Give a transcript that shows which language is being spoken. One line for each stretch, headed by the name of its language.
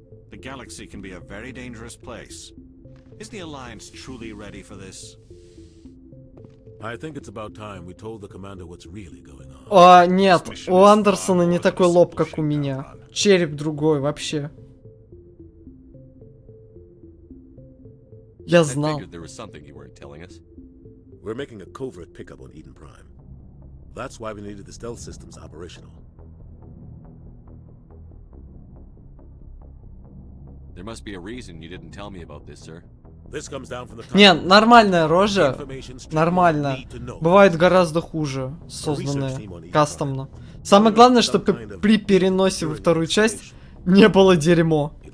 English: The galaxy can be a very dangerous place. Is the Alliance truly ready for this? I think it's about time we told the commander what's really going on.
Russian: О, нет, у Андерсона не такой лоб, как у меня. Череп другой вообще. Я знал.
English: I figured there was something you weren't telling us. We're making a covert pickup on Eden Prime. That's why we needed the stealth systems operational. There must be a reason you didn't tell me about this, sir. This comes down from the top.
Russian: Не, нормальная рожа. Нормально. Бывает гораздо хуже, созданная кастомно. Самое главное, чтобы при переносе во вторую часть не было дерьмо.